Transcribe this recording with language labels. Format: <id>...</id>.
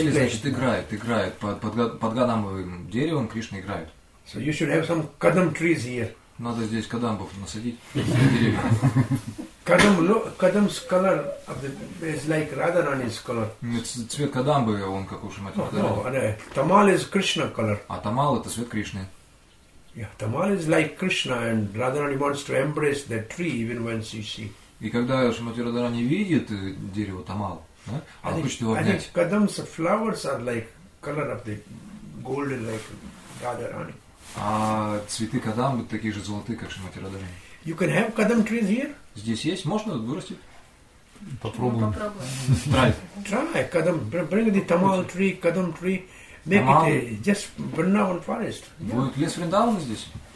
<ru>keli, значит играет, играет под кадамбовым деревом. Кришна играет.</ru> <en>So you should have some kadam trees here.</en> <ru>Надо здесь кадамбов насадить.</ru> <en>Kadam, Kadam's color of the is like Radharani's color.</en> <ru>Цвет кадамбы он как у Шримати</ru> <en>Радхарани. Tamal is Krishna color.</en> <ru>А тамал это цвет Кришны.</ru> <en>Yeah, tamal is like Krishna, and Radharani wants to embrace that tree even when she see.</en> <ru>И когда Шримати Радхарани видит дерево тамал, она хочет его обнять.</ru> <en>I think Kadam's flowers are like color of the golden like Radharani.</en> <ru>А цветы кадамбы такие же золотые, как Шримати Радхарани.</ru> <en>You can have kadam trees here.</en> <ru>Здесь есть, можно вырастить? Попробуем.</ru> <en>Try kadam. Bring the tamal tree, kadam tree. Make tamal. It just Vrindavan forest. Yeah.</en> <ru>Будет лес Вриндавана здесь?</ru>